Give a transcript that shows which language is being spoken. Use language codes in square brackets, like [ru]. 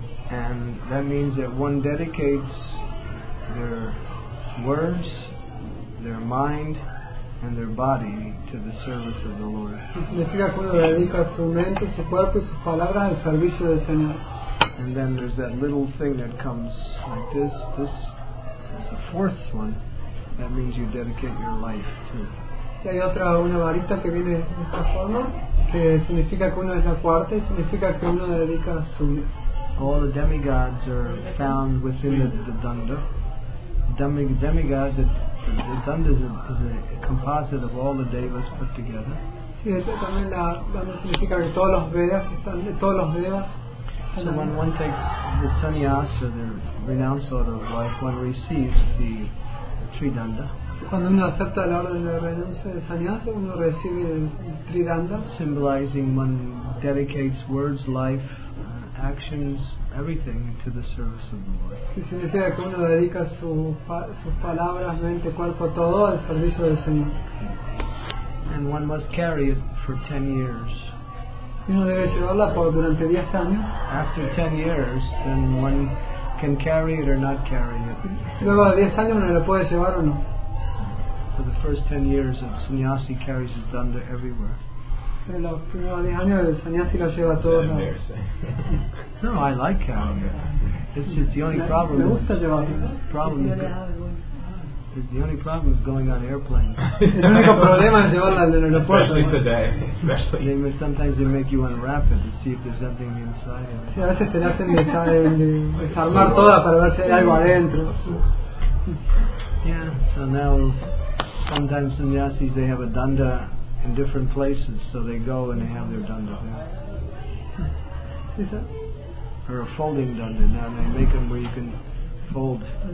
[en] And that means that one dedicates their words, their mind, and their body to the service of the Lord. [es] Significa que uno dedica su mente, su cuerpo y sus palabras al servicio del Señor. [en] And then there's that little thing that comes like this. This is the fourth one. That means you dedicate your life to. [es] Y hay otra, una varita que viene de esta forma, que significa que uno es la cuarta, significa que uno dedica su. [en] All the demigods are found within the danda. Demigods, the danda is a composite of all the devas put together. [es] Sí, esto también la danda significa que todos los vedas están de todos los vedas. [en] So when one takes the sannyas or the renounce order of life, one receives the tridanda. [es] Cuando uno acepta la orden de renuncia de sannyas, uno recibe el tridanda. [en] Symbolizing one dedicates words, life, actions, everything to the service of the Lord. [es] Que significa que uno dedica sus palabras, mente, cuerpo, todo al servicio del Señor. [en] And one must carry it for 10 years. [es] Uno debe llevarla por durante 10 años. [en] After 10 years, then one can carry it or not carry it. [es] Luego de 10 años uno lo puede llevar o no. [en] For the first 10 years, a sannyasi carries his danda everywhere. [es] Pero los primeros 10 años el sannyasi lo lleva a todos lados. [en] No, I like carrying it. It's just the only problem. [es] Me gusta llevarlo. [en] Problem is the only problem is going on airplanes. [es] El único problema es llevarla al aeropuerto. [en] Especially today. Especially. They, sometimes they make you unwrap it to see if there's something inside. [es] Sí, a veces te hacen desarmar toda para ver si hay algo adentro. [en] Yeah, so now sometimes sannyasis they have a danda in different places, so they go and they have their danda there. [es] Sí, sir. [en] Or a folding danda. Now they make them where you can fold.